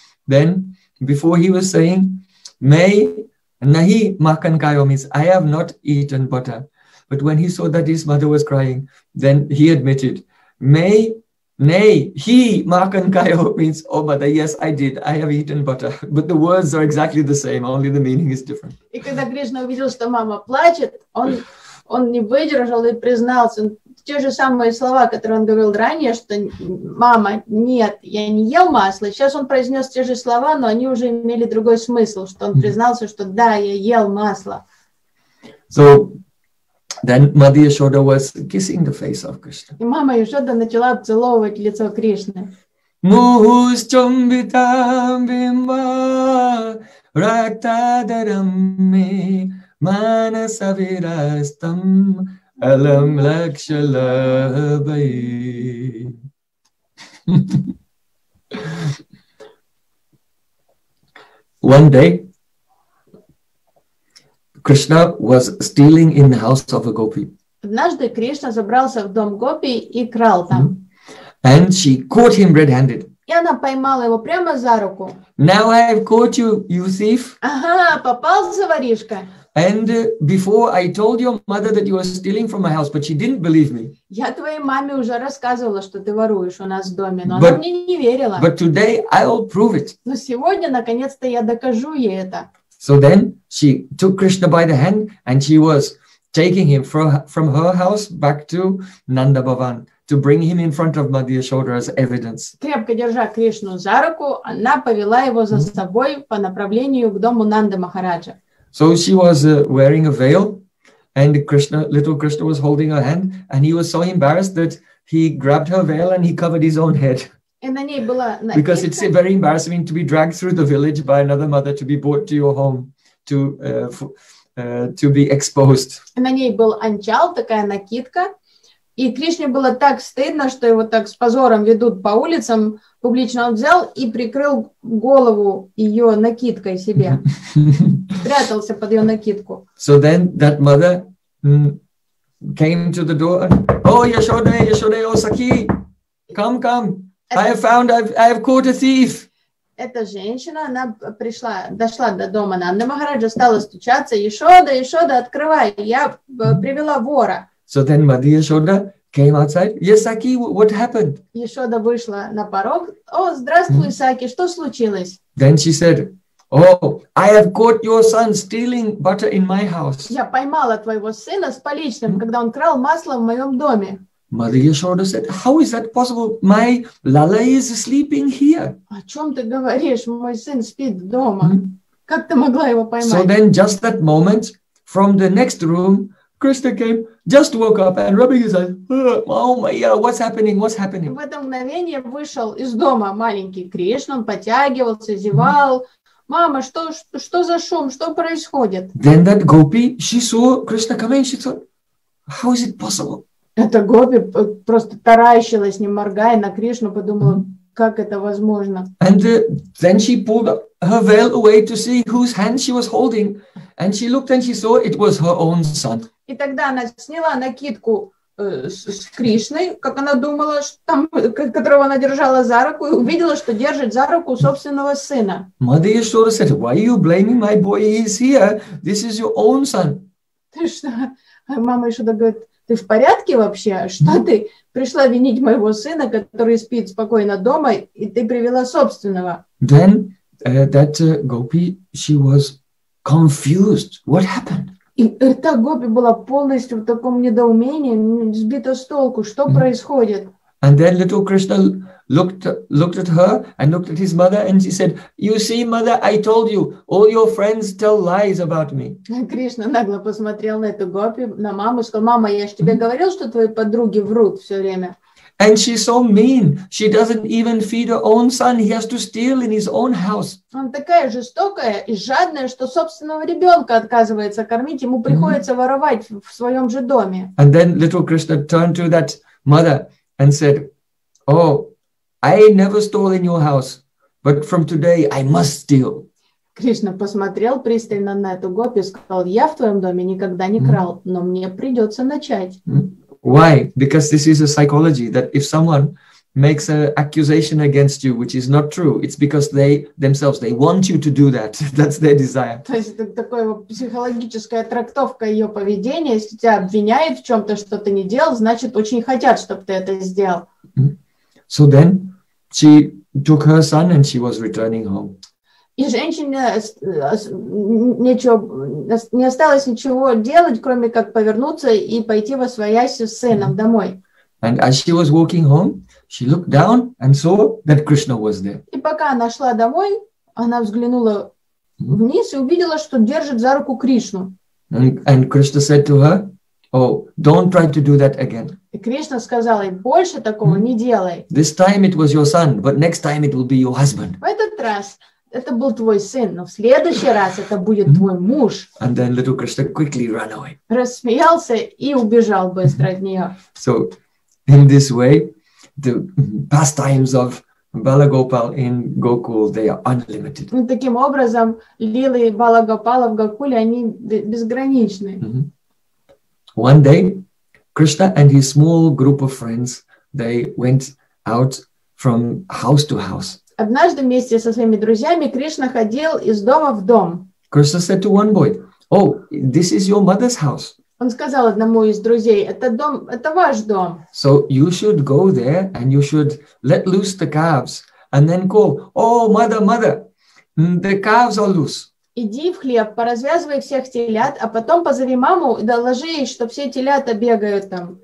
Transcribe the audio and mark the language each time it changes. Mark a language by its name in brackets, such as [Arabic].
[English] Then, before he was saying, [Hindi] May nahi makan kayo [English] means I have not eaten butter. But when he saw that his mother was crying, then he admitted, [Hindi] May nay he makan kayo [English] means, oh mother, yes, I did. I have eaten butter. But the words are exactly the same, only the meaning is different. [Russian] И когда Кришна увидел, что мама плачет, он не выдержал и признался. Те же самые слова, которые он говорил ранее, что мама, нет, я не ел масло. Сейчас он произнес те же слова, но они уже имели другой смысл, что он признался, что да, я ел масло. [English] So then Madhya Shoda was kissing the face of Krishna. [Russian] И мама Яшода начала целовать лицо Кришны. [Sanskrit] Мухусчамбитам бимба ратадарамми манасавирастам Alam Lakshalabai. [English] One day, Krishna was stealing in the house of a gopi. [Russian] Однажды Кришна забрался в дом гопи и крал там. [English] And she caught him red-handed. [Russian] И она поймала его прямо за руку. [English] Now I have caught you, you thief. [Russian] Ага, попался, воришка. [English] And before I told your mother that you were stealing from my house, but she didn't believe me. [Russian] Я твоей маме уже рассказывала, что ты воруешь у нас в доме, но она мне не верила. [English] But today I'll prove it. [Russian] Но сегодня, наконец-то, я докажу ей это. [English] So then she took Krishna by the hand and she was taking him from her house back to Nanda Bhavan to bring him in front of Madhya Shoda as evidence. [Russian] Крепко держа Кришну за руку, она повела его за собой по направлению к дому Нанды Махараджа. [English] So she was wearing a veil, and Krishna, little Krishna, was holding her hand, and he was so embarrassed that he grabbed her veil and he covered his own head. Because it's very embarrassing to be dragged through the village by another mother to be brought to your home to be exposed. [Russian] And на ней был анчал, такая накидка, и Кришне было так стыдно, что его так с позором ведут по улицам. Публично он взял и прикрыл голову ее накидкой себе. Спрятался под ее накидку. [English] So then that mother came to the door. Oh, Yashoda, Yashoda, oh, Saki, come, come. I have caught a thief. [Russian] Эта женщина, она пришла, дошла до дома Нанды Махараджа, стала стучаться. Yashoda, Yashoda, открывай, я привела вора. [English] So then Madhya Yashoda came outside. Yes, Saki, what happened? [Russian] Yashoda вышла на порог. О, здравствуй, Саки, что случилось? [English] Then she said, oh, I have caught your son stealing butter in my house. [Russian] Я поймала твоего сына с поличным, когда он крал масло в моем доме. [English] Mother Yashoda said, how is that possible? My Lala is sleeping here. [Russian] О чем ты говоришь? Мой сын спит дома. Как ты могла его поймать? [English] So then just that moment, from the next room, Krista came, just woke up and rubbing his eyes. Oh my God, what's happening? What's happening? [Russian] В это мгновение вышел из дома маленький Кришна, он потягивался, зевал. Мама, что за шум? Что происходит? [English] Then that gopi, she saw Krishna coming, she thought, how is it possible? [Russian] Эта гопи просто таращилась, не моргая, на Кришну, подумала, как это возможно? [English] And then she pulled her veil away to see whose hand she was holding, and she looked and she saw it was her own son. [Russian] И тогда она сняла накидку с Кришной, как она думала, там, которого она держала за руку, и увидела, что держит за руку собственного сына. [English] Mother Yashoda said, why are you blaming my boy? He is here. This is your own son. [Russian] Ты что? Мама еще говорит, ты в порядке вообще? Что ты пришла винить моего сына, который спит спокойно дома, и ты привела собственного? [English] Then that gopi, she was confused. What happened? [Russian] И эта гопи была полностью в таком недоумении, сбита с толку. Что происходит? [English] And then little Krishna looked at her and looked at his mother and she said, you see, mother, I told you, all your friends tell lies about me. [Russian] Кришна нагло посмотрел на эту гопи, на маму, сказал, мама, я же тебе говорил, что твои подруги врут все время. [English] And she's so mean. She doesn't even feed her own son. He has to steal in his own house. [Russian] Она такая жестокая и жадная, что собственного ребенка отказывается кормить. Ему приходится воровать в своем же доме. [English] And then little Krishna turned to that mother and said, oh, I never stole in your house, but from today I must steal. [Russian] Кришна посмотрел пристально на эту гопи и сказал, я в твоем доме никогда не крал, но мне придется начать. [English] Why? Because this is a psychology that if someone makes an accusation against you, which is not true, it's because they themselves, they want you to do that. That's their desire. [Russian] То есть это такая психологическая трактовка ее поведения. Если тебя обвиняют в чем-то, что ты не делал, значит, очень хотят, чтобы ты это сделал. [English] So then she took her son and she was returning home. [Russian] И женщине не осталось ничего делать, кроме как повернуться и пойти во свояси с сыном домой. [English] And as she was walking home, she looked down and saw that Krishna was there. [Russian] И пока она шла домой, она взглянула вниз и увидела, что держит за руку Кришну. [English] And Krishna said to her, oh, don't try to do that again. [Russian] И Кришна сказал ей, больше такого не делай. [English] This time it was your son, but next time it will be your husband. [Russian] В этот раз это был твой сын, но в следующий раз это будет твой муж. [English] And then little Krishna quickly ran away. [Russian] Рассмеялся и убежал быстро от нее. [English] So, in this way, the pastimes of Balagopal in Gokul, they are unlimited. [Russian] И таким образом, лилы Балагопала в Гокуле, они безграничны. [English] One day, Krishna and his small group of friends, they went out from house to house. [Russian] Однажды вместе со своими друзьями Кришна ходил из дома в дом. [English] Krishna said to one boy, oh, this is your mother's house. [Russian] Он сказал одному из друзей, это дом, это ваш дом. [English] So you should go there and you should let loose the calves and then call, oh, mother, mother, the calves are loose. [Russian] Иди в хлев, поразвязывай всех телят, а потом позови маму и доложи ей, что все телята бегают там.